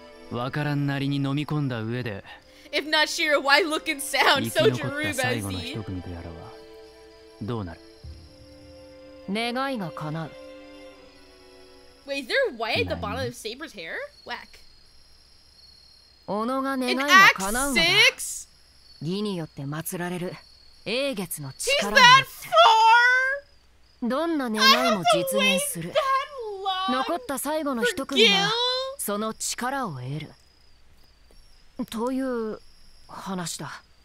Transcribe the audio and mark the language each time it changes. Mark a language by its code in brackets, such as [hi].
[ja] わからんなりに飲み込んだ上で、 [en] If not Shiro, why look and sound so Jerubazi? [ja] 生き残った最後の一組とやらはどうなる？願いが叶う。 [en] Wait, is there white at the bottom of Saber's hair? Whack. [ja] おのが願いが叶うのだ。 [en] In Act 6? [ja] 義によって祀られる英月の力によって。 [en] He's that far! [ja] どんな願いも実現する。残った最後の一組が、その力を得るという話だ。